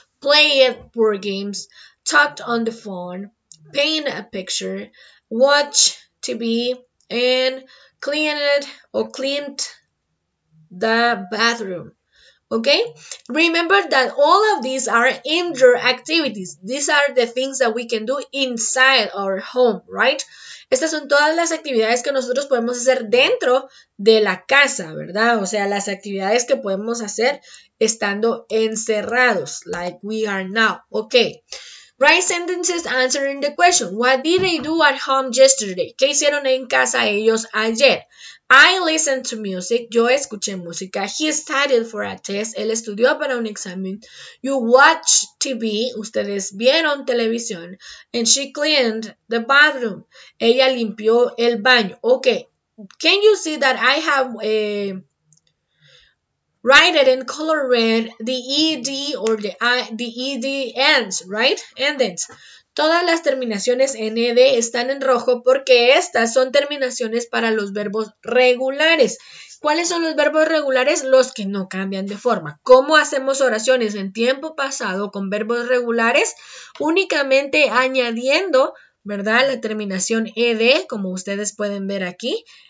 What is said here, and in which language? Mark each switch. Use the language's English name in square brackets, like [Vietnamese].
[English] Played board games, talked on the phone, painted a picture, watched TV, and cleaned the bathroom. Okay? Remember that all of these are indoor activities. These are the things that we can do inside our home, right? [Spanish] Estas son todas las actividades que nosotros podemos hacer dentro de la casa, ¿verdad? O sea, las actividades que podemos hacer estando encerrados, [English] like we are now. [Spanish] Okay. [English] Write sentences answering the question. What did they do at home yesterday? [Spanish] ¿Qué hicieron en casa ellos ayer? [English] I listened to music. [Spanish] Yo escuché música. [English] He studied for a test. [Spanish] Él estudió para un examen. [English] You watched TV. [Spanish] Ustedes vieron televisión. [English] And she cleaned the bathroom. [Spanish] Ella limpió el baño. [English] Okay. Can you see that I have a... write it in color red, the ed or the ed ends, right? Endings. [Spanish] Todas las terminaciones ned están en rojo porque estas son terminaciones para los verbos regulares. ¿Cuáles son los verbos regulares? Los que no cambian de forma. ¿Cómo hacemos oraciones en tiempo pasado con verbos regulares? Únicamente añadiendo, ¿verdad? La terminación ed, como ustedes pueden ver aquí.